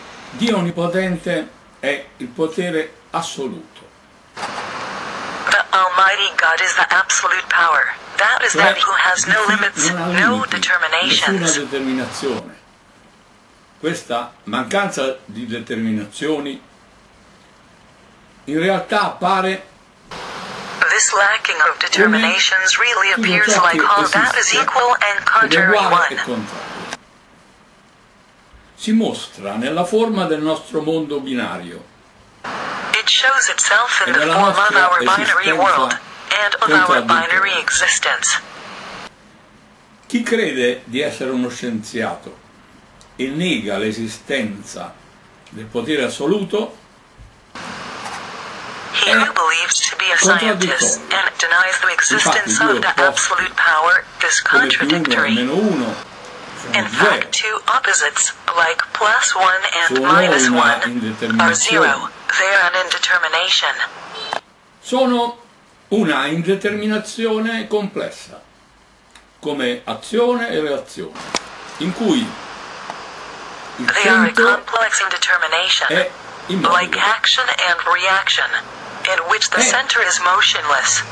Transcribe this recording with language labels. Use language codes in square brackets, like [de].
[it] Dio onnipotente è il potere assoluto. [en] The Almighty God is the absolute power. That is that who has no limits, no determinations. [it] Nessuna determinazione. Questa mancanza di determinazioni in realtà appare. [en] This lacking of determinations really appears like all that is equal and contrary one. [it] Si mostra nella forma del nostro mondo binario. [en] It shows itself in the form of our binary world and of our binary existence. [it] Chi crede di essere uno scienziato e nega l'esistenza del potere assoluto? [en] He who believes to be a scientist and denies the existence of the absolute power is contradictory. In fact, two opposites, like plus one and minus one, are zero. They are an indetermination. [it] Sono una indeterminazione complessa, come azione e reazione, in cui [en] they are a complex indetermination, like action and reaction. In which the center is motionless.